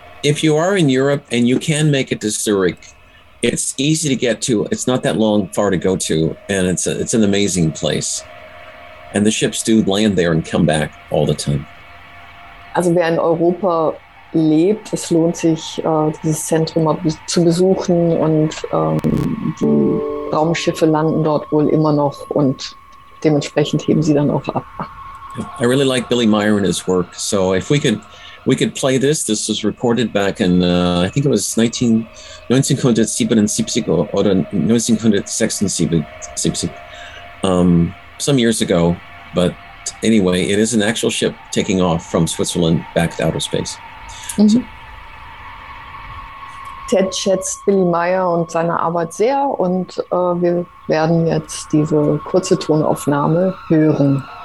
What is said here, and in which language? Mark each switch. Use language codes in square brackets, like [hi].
[en] If you are in Europe and you can make it to Zurich, it's easy to get to. It's not that long far to go to, and it's an amazing place. And the ships do land there and come back all the time. [de] Also wer in Europa lebt, es lohnt sich, dieses Zentrum mal zu besuchen, und die Raumschiffe landen dort wohl immer noch und dementsprechend heben sie dann auch ab. [en] I really like Billy Meyer and his work, so if we could play this. This was recorded back in, I think it was 1977 or 1976, some years ago. But anyway, it is an actual ship taking off from Switzerland back to outer space. [de] Ted schätzt Billy Meyer und seine Arbeit sehr, und wir werden jetzt diese kurze Tonaufnahme hören.